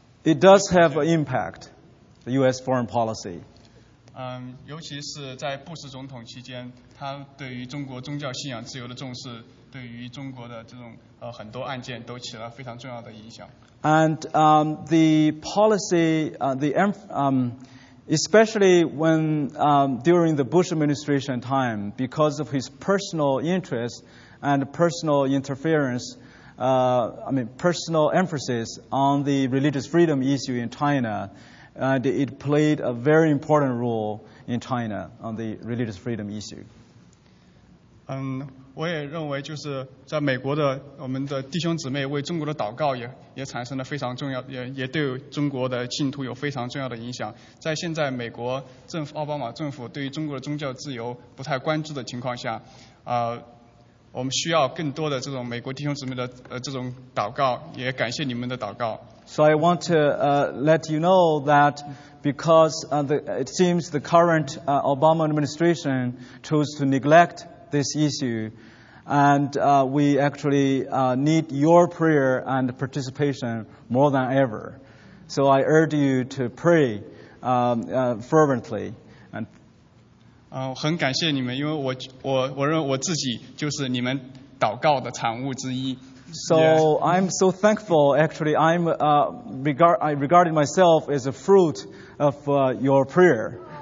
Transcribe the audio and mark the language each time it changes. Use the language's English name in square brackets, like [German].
[English] It does have an impact, the U.S. foreign policy. [Chinese] 尤其是在布什总统期间，他对于中国宗教信仰自由的重视，对于中国的这种很多案件都起了非常重要的影响。 [English] And the policy, especially when during the Bush administration time, because of his personal interest and personal interference. Personal emphasis on the religious freedom issue in China, and it played a very important role in China on the religious freedom issue. [Chinese] 我也认为就是在美国的我们的弟兄姊妹为中国的祷告也产生了非常重要，也对中国的信徒有非常重要的影响。在现在美国政府奥巴马政府对于中国的宗教自由不太关注的情况下，我们需要更多的这种美国弟兄姊妹的这种祷告，也感谢你们的祷告。 [English] So I want to let you know that because it seems the current Obama administration chose to neglect this issue, and we actually need your prayer and participation more than ever. So I urge you to pray fervently. [Chinese] 很感谢你们，因为我认为我自己就是你们祷告的产物之一。 [English] So yeah. I'm so thankful. Actually, I'm regarded myself as a fruit of your prayer.